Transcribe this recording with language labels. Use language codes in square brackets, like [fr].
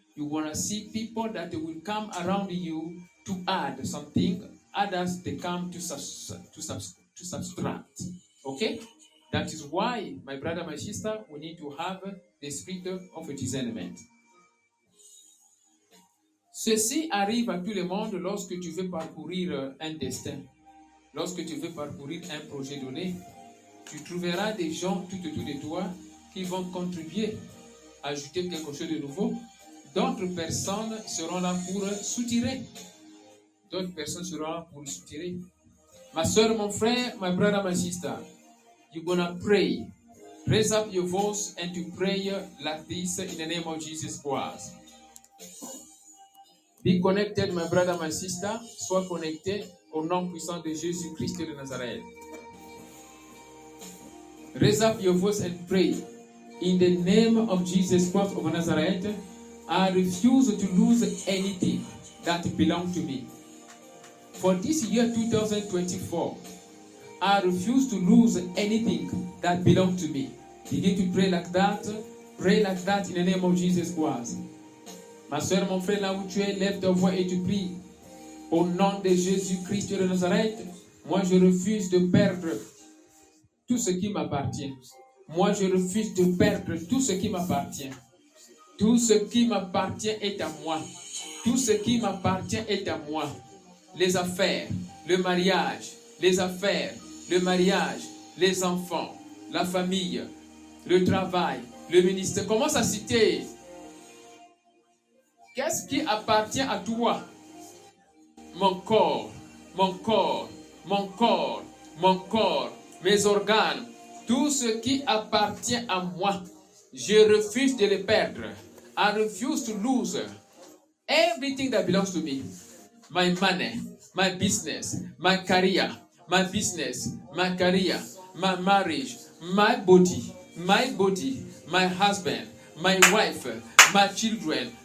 [en] You want to see people that will come around you to add something. Others, they come to subtract. Okay? That is why, my brother, my sister, we need to have the spirit of discernment. [fr] Ceci arrive à tout le monde lorsque tu veux parcourir un destin. Lorsque tu veux parcourir un projet donné, tu trouveras des gens tout autour de toi qui vont contribuer à ajouter quelque chose de nouveau. D'autres personnes seront là pour soutirer. D'autres personnes seront là pour soutirer. [en] Ma soeur, mon frère, my brother, my sister, you're going to pray. Raise up your voice and to pray like this in the name of Jesus Christ. Be connected, my brother, my sister. [fr] Sois connecté au nom puissant de Jésus Christ de Nazareth. [en] Raise up your voice and pray. In the name of Jesus Christ of Nazareth, I refuse to lose anything that belongs to me. For this year 2024, I refuse to lose anything that belongs to me. Begin to pray like that. Pray like that in the name of Jesus Christ. [fr] Ma soeur, mon frère, là où tu es, lève ta voix et tu pries. Au nom de Jésus-Christ de Nazareth, moi je refuse de perdre tout ce qui m'appartient. Moi je refuse de perdre tout ce qui m'appartient. Tout ce qui m'appartient est à moi. Tout ce qui m'appartient est à moi. Les affaires, le mariage, les affaires, le mariage, les enfants, la famille, le travail, le ministère. Commence à citer. Qu'est-ce qui appartient à toi? Mon corps, mon corps, mon corps, mon corps, mes organes, tout ce qui appartient à moi, je refuse de le perdre. [en] I refuse to lose everything that belongs to me. My money, my business, my career, my business, my career, my marriage, my body, my husband, my wife, my children.